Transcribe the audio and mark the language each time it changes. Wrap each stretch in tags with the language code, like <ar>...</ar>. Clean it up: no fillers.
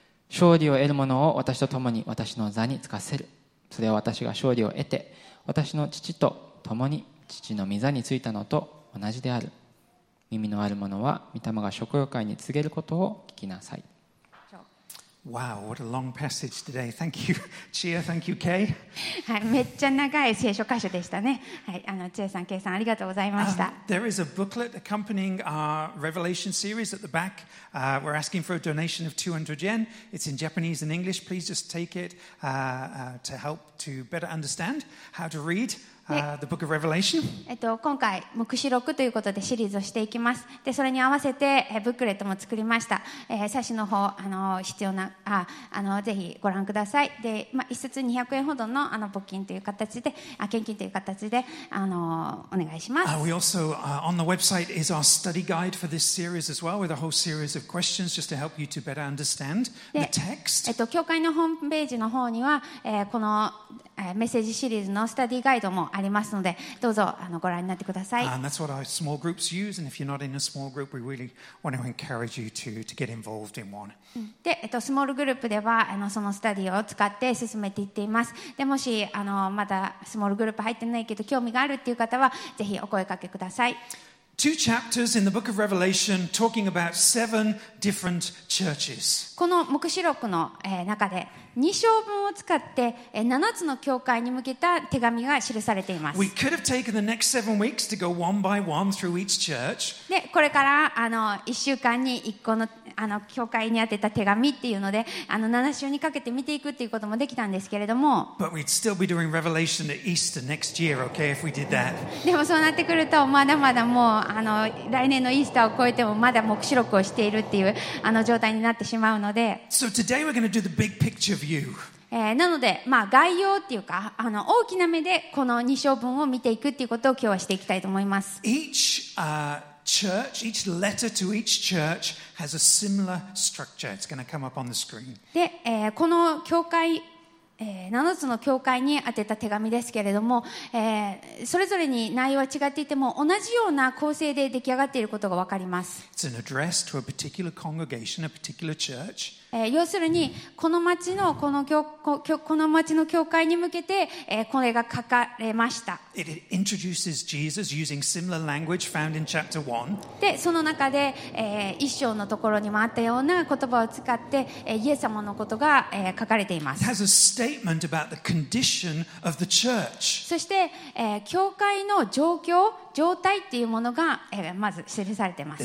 <ja>勝利を得る者を私と共に私の座に着かせる。それは私が勝利を得て私の父と共に父の御座についたのと同じである。耳のある者は御霊が食欲界に告げることを聞きなさい。</ja> <en>Wow, what a long passage today. Thank you, Chia. Thank you, Kay.</en> <ja>はい、めっちゃ長い聖書箇所でしたね。はい、Chia さん、Kay さん、ありがとうございました。</ja> <en>There is a booklet accompanying our Revelation series at the back. We're asking for a donation of 200 yen. It's in Japanese and English. Please just take it to help to better understand how to read. The Book of Revelation.</en> <ja>今回黙示録ということでシリーズをしていきます。でそれに合わせてブックレットも作りました。冊子の方必要なぜひご覧ください。で、まあ、1冊200円ほど の募金という形で献金という形でお願いします。</ja> <en>We also, on the website is our study guide for this series as well, with a whole series of questions just to help you to better understand the text.</en> <ja>教会のホームページの方には、このメッセージシリーズのスタディガイドもありますので、どうぞご覧になってください。</ja> <en>And that's what our small groups use. And if you're not in a small group, we really want to encourage you to get involved in one.</en> <ja>で、スモールグループではそのスタディを使って進めていっています。でもしまだスモールグループ入ってないけど興味があるっていう方はぜひお声かけください。</ja> <en>Two chapters in the book of Revelation talking about seven different churches.</en> <ja>この黙示録の中で2章分を使って7つの教会に向けた手紙が記されています。</ja> <en>We could have taken the next seven weeks to go one by one through each church.</en> <ja>で、これから1週間に1個の教会に宛てた手紙っていうので7章にかけて見ていくっていうこともできたんですけれども、</ja> <en>But we'd still be doing Revelation at Easter next year, okay, if we did that.</en> <ja>でもそうなってくるとまだまだもう来年のイースターを超えてもまだ黙示録をしているっていう状態になってしまうので、</ja> <en>So today we're going to do the big picture view.</en> <ja>なので、まあ、概要っていうか大きな目でこの2章分を見ていくっていうことを今日はしていきたいと思います。</ja> <en>Church, each letter to each church has a similar structure. It's going to come up on the screen.</en> <ja>で、この教会、7つの教会に宛てた手紙ですけれども、それぞれに内容は違っていても同じような構成で出来上がっていることが分かります。</ja> <en>It's an address to a particular congregation, a particular church.</en> <ja>要するにこの町のこの町の教会に向けて、これが書かれました。</ja> <en>It introduces Jesus using similar language found in chapter 1.</en> <ja>で、その中で、一章のところにもあったような言葉を使って、イエス様のことが、書かれています。</ja> <en>It has a statement about the condition of the church.</en> <ja>そして、教会の状況、状態っていうものが、まず記されています。</ja>